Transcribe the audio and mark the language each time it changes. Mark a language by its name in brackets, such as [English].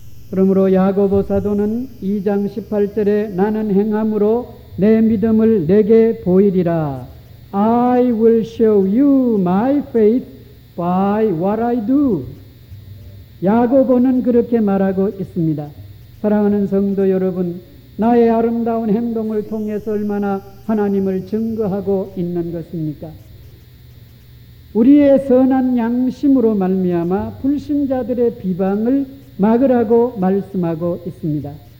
[Korean] 그러므로 야고보 사도는 2장 18절에 나는 행함으로 내 믿음을 내게 보이리라. [English] I will show you my faith by what I do. [Korean] 야고보는 그렇게 말하고 있습니다. 사랑하는 성도 여러분, 나의 아름다운 행동을 통해서 얼마나 하나님을 증거하고 있는 것입니까? 우리의 선한 양심으로 말미암아 불신자들의 비방을 막으라고 말씀하고 있습니다.